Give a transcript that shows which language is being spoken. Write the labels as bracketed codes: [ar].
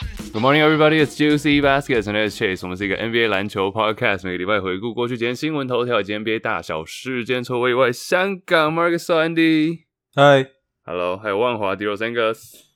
[en] Good morning, everybody. It's Juicy Baskets and it's Chase. [zh] 我们是一个 NBA 篮球 podcast， 每个礼拜回顾过去几天新闻头条以及 NBA 大小事件。除我以外，香港 Marcus Andy， [en] Hi， [zh] Hello， 还有万华 Dios Angus，